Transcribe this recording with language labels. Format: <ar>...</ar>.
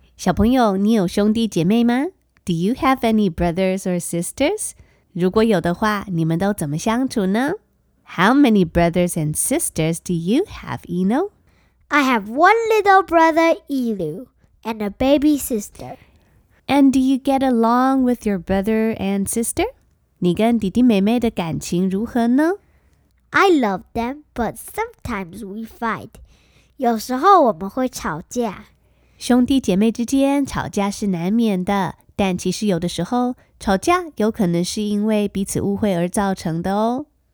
<zh>小朋友，你有兄弟姐妹吗？</zh> <en>Do you have any brothers or sisters?</en> <zh>如果有的话，你们都怎么相处呢？</zh> <en>How many brothers and sisters do you have, Eno? I have one little brother, Elu, and a baby sister. And do you get along with your brother and sister?</en> <zh>你跟弟弟妹妹的感情如何呢？</zh> <en>I love them, but sometimes we fight.</en> <zh>有时候我们会吵架。兄弟姐妹之间吵架是难免的，但其实有的时候吵架有可能是因为彼此误会而造成的哦。</zh>